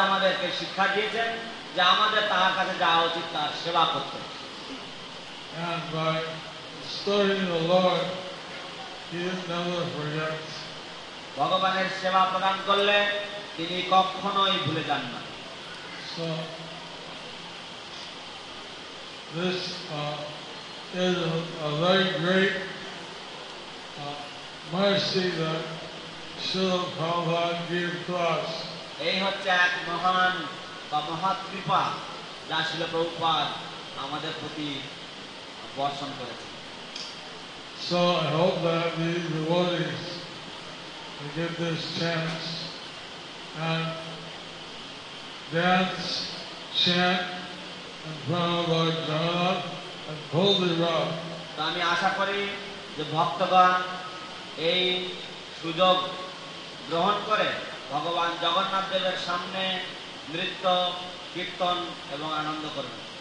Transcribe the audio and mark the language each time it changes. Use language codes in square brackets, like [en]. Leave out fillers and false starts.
[bn] আমাদেরকে শিক্ষা দিয়েছেন যে আমাদের তাহার কাছে যাওয়া উচিত, তার সেবা করতে. [en] And by serving the Lord, He never forgets. [bn] ভগবানের সেবা প্রদান করলে তিনি কখনোই ভুলে যান না. [en] So, this is a very great mercy that Srila Prabhupada gave to us. [bn] এই হচ্ছে এক মহান বা মহৎ কৃপা যা শ্রীল প্রভুপাদ আমাদের প্রতি বর্ষণ করেছে. [en] So I hope that these devotees will get this chance and dance, chant in front of Lord Jagannath and pull the rug. [bn] তো আমি আশা করি যে ভক্তগণ এই সুযোগ গ্রহণ করে ভগবান জগন্নাথ দেবের সামনে নৃত্য, কীর্তন এবং আনন্দ করবে.